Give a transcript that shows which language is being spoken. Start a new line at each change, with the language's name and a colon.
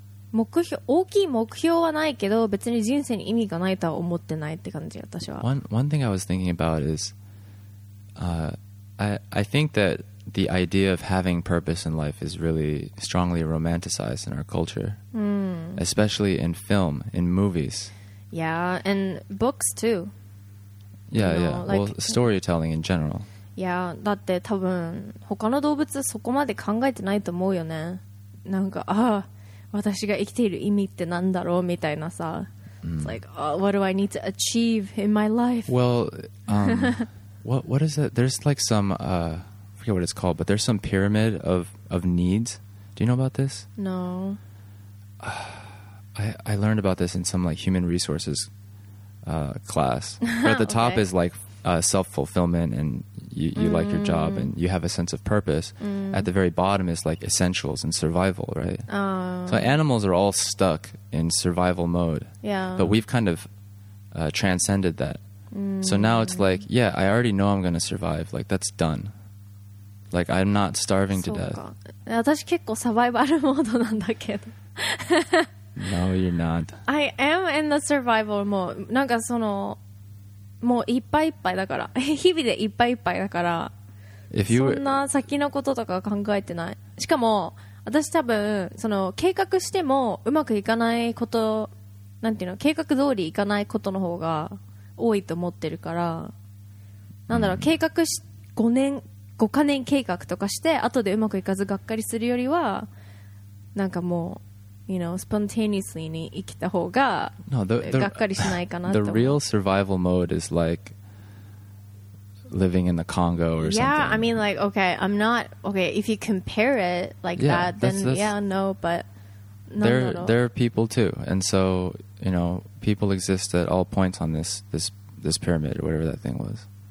Japanese: 目標、大きい目標はないけど別に人生に意味がないとは思ってないって感じ。私は
English: One thing I was thinking about is I think that the idea of having purpose in life is really strongly romanticized in our culture. Especially in film, in movies. Yeah, and books too. Yeah, you know, yeah, like, well, storytelling in general.
Japanese: Yeah, だって多分他の動物そこまで考えてないと思うよね。なんか、ああ私が生きている意味ってなんだろうみたいなさ、
English: It's like, oh, what do I need to achieve in my life? Well, what is it? There's like some forget what it's called, but there's some pyramid of needs. Do you know about this? No. I learned about this in some like human resources class. But at the top is like self-fulfillment, and you like your job and you have a sense of purpose. Mm. At the very bottom is like essentials and survival, right? So animals are all stuck in survival mode. Yeah. But we've kind of transcended that. So now it's like, yeah, I already know I'm going to survive. Like, that's done. Like, I'm not starving to death.
Japanese: 私結構サバイバルモードなんだけど。
English: No, you're not. I am in the survival mode.
Japanese: なんかそのもういっぱいいっぱいだから日々でいっぱいいっぱいだからそんな先のこととか考えてない。しかも私多分その計画してもうまくいかないこと、なんていうの、計画通りいかないことの方が多いと思ってるから、なんだろう、計画し5カ年計画とかして後でうまくいかずがっかりするよりは、なんかもう
English: you know spontaneously
Japanese: に生きた方ががっかりしないかなと。
English: The real survival mode is like living in the Congo or something. Yeah, I mean like okay, I'm not okay. If you compare it like yeah, that, then that's, yeah, no, but there are people too, and so you know people exist at all points on this pyramid or whatever that thing was.